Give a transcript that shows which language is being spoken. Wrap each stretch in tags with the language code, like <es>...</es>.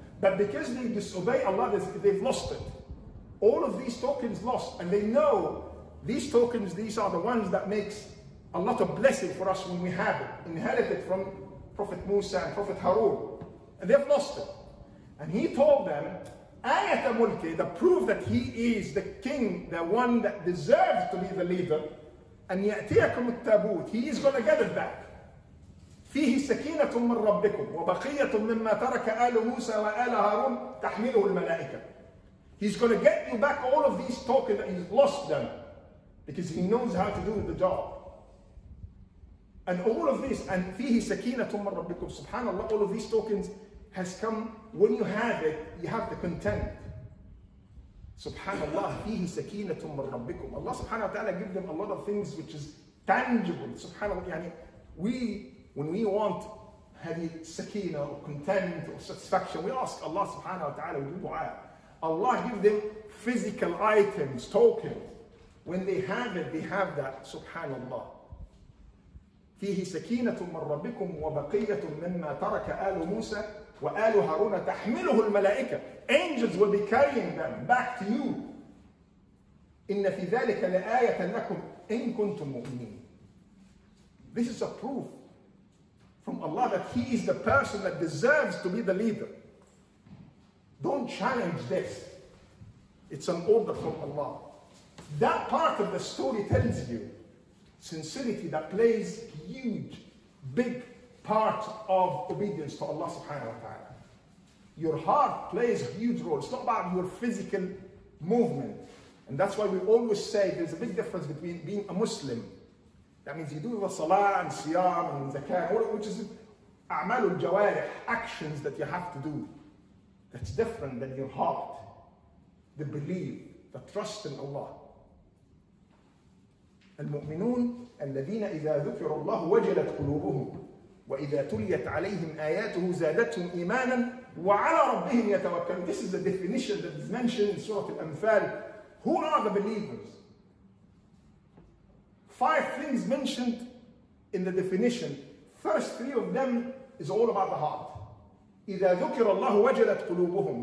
<en>But because they disobey Allah, they've lost it. All of these tokens lost, and they know these tokens, these are the ones that makes a lot of blessing for us when we have it, inherited from Prophet Musa and Prophet Harun. And they've lost it. And he told them, ayat al-mulki, the proof that he is the king, the one that deserves to be the leader, and</en> <ar>يَأْتِيَكُمُ التَّابُوتِ,</ar> <en>he is going to get it back.</en> <ar>فيه سكينة من ربكم وبقية مما ترك آل موسى وآل هارون تحمله الملائكة.</ar> <en>He's going to get you back all of these tokens that he's lost them, because he knows how to do the job. And all of this, and</en> <ar>فيه سكينة من ربكم,</ar> <en>subhanAllah, all of these tokens has come, when you have it, you have the content.</en> <ar>SubhanAllah, فيه سكينة من ربكم.</ar> <en>Allah subhanahu wa ta'ala give them a lot of things which is tangible. SubhanAllah, يعني, when we want</en> <ar>هذه سكينة</ar> <en>or content or satisfaction, we ask Allah subhanahu wa ta'ala, we do dua. Allah give them physical items, tokens. When they have it, they have that. SubhanAllah.</en> <ar>فيه سكينة من ربكم وبقية مما ترك آل موسى وآل هارون تحمله الملائكة.</ar> <en>Angels will be carrying them back to you.</en> <ar>إن في ذلك لآية لكم إن كنتم مؤمنين.</ar> <en>This is a proof from Allah that He is the person that deserves to be the leader. Don't challenge this. It's an order from Allah. That part of the story tells you sincerity that plays huge, big part of obedience to Allah subhanahu wa ta'ala. Your heart plays a huge role. It's not about your physical movement. And that's why we always say there's a big difference between being a Muslim. That means you do the salah and siyam and zakah, which is a'mal al-jawarih, actions that you have to do. That's different than your heart, the belief, the trust in Allah.</en> <ar>المؤمنون الذين إذا ذكر الله وجلت قلوبهم وإذا تليت عليهم آياته زادتهم إيمانا وعلى ربهم يتوكلون.</ar> <en>This is the definition that is mentioned in Surah Al-Anfal. Who are the believers? Five things mentioned in the definition. First three of them is all about the heart.</en> <ar>إذا ذكر الله وجلت قلوبهم.</ar>